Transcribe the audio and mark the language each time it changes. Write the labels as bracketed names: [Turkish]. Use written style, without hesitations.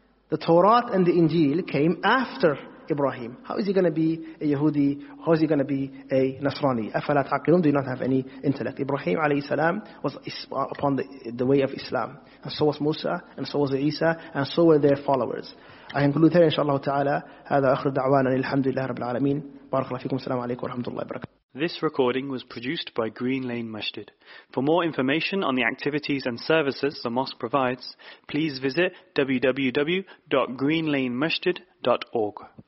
[English] The Torah and the Injil came after Ibrahim. How is he going to be a Yahudi? How is he going to be a Nasrani? [Arabic] أَفَلَا تَعْقِلُونَ. [English] Do you not have any intellect? Ibrahim alayhi salam was upon the way of Islam. And so was Musa, and so was Isa, and so were their followers. I conclude here, inshallah ta'ala. [Arabic] هذا آخر دعوانا الحمد لله رب العالمين. بارك الله فيكم. السلام عليكم ورحمة الله وبركاته. [English] This recording was produced by Green Lane Masjid. For more information on the activities and services the mosque provides, please visit www.greenlanemasjid.org.